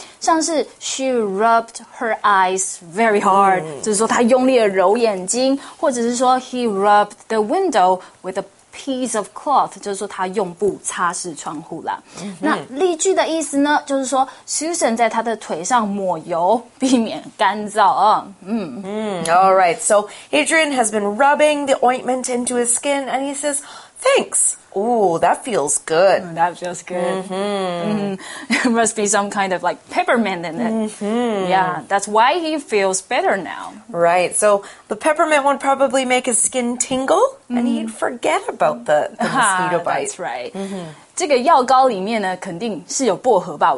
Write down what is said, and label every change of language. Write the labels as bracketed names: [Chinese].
[Chinese] 像是 [English] she rubbed her eyes very hard， [Chinese] 就是说她用力的揉眼睛，或者是说 [English] he rubbed the window with a piece of cloth， [Chinese] 就是说她用布擦拭窗户啦。那例句的意思呢，就是说 Susan 在她的腿上抹油，避免干燥啊。 [English] All right, so Adrian has been rubbing the ointment into his skin, and he says, thanks. Ooh, that feels good. That feels good. There must be some kind of like peppermint in it. Yeah, that's why he feels better now. Right, so the peppermint would probably make his skin tingle, and he'd forget about the mosquito bite. That's right. [Chinese] 这个药膏里面呢，肯定是有薄荷吧？